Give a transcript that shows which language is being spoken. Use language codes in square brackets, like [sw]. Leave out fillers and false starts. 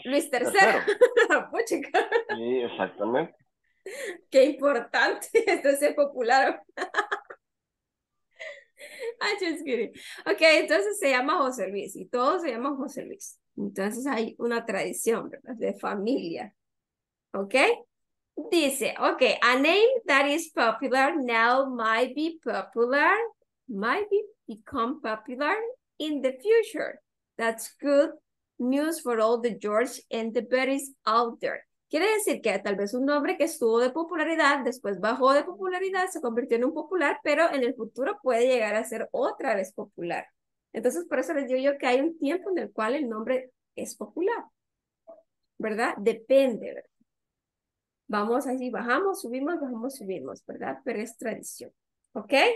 [es] Luis III. Puchica. Sí, exactamente. Qué importante, entonces popular. [en] I just kidding. [es] Ok, entonces se llama José Luis y todos se llaman José Luis. Entonces hay una tradición, ¿verdad?, de familia. [en] Ok, dice, ok, a name that is popular now might become popular in the future. That's good news for all the George and the Berries out there. [es] Quiere decir que tal vez un nombre que estuvo de popularidad, después bajó de popularidad, se convirtió en un popular, pero en el futuro puede llegar a ser otra vez popular. Entonces, por eso les digo yo que hay un tiempo en el cual el nombre es popular. ¿Verdad? Depende, ¿verdad? Vamos así, bajamos, subimos, ¿verdad? Pero es tradición. ¿Ok?